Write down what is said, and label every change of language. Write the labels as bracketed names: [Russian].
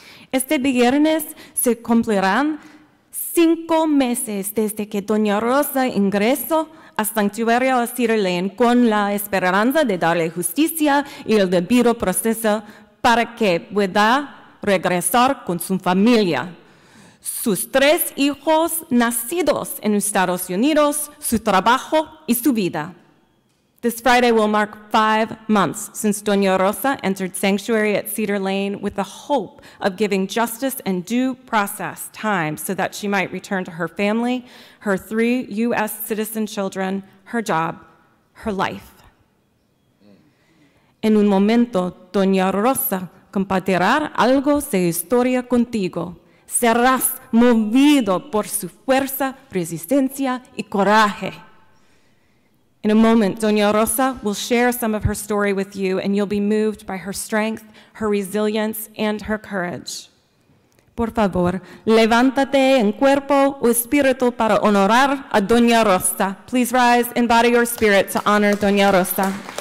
[Spanish] Este viernes se cumplirán 5 meses desde que Doña Rosa ingresó a Sanctuario Cedar Lane con la esperanza de darle justicia y el debido proceso para que pueda regresar con su familia. Sus 3 hijos nacidos en Estados Unidos, su trabajo y su vida. [English] This Friday will mark 5 months since Doña Rosa entered sanctuary at Cedar Lane with the hope of giving justice and due process time so that she might return to her family, her 3 U.S. citizen children, her job, her life. [Spanish] En un momento, Doña Rosa compartirá algo de historia contigo. Serás movido por su fuerza, resistencia y coraje. [English] In a moment, Doña Rosa will share some of her story with you, and you'll be moved by her strength, her resilience, and her courage. [Spanish] Por favor, levántate en cuerpo o espíritu para honorar a Doña Rosa. [English] Please rise in body or spirit to honor Doña Rosa.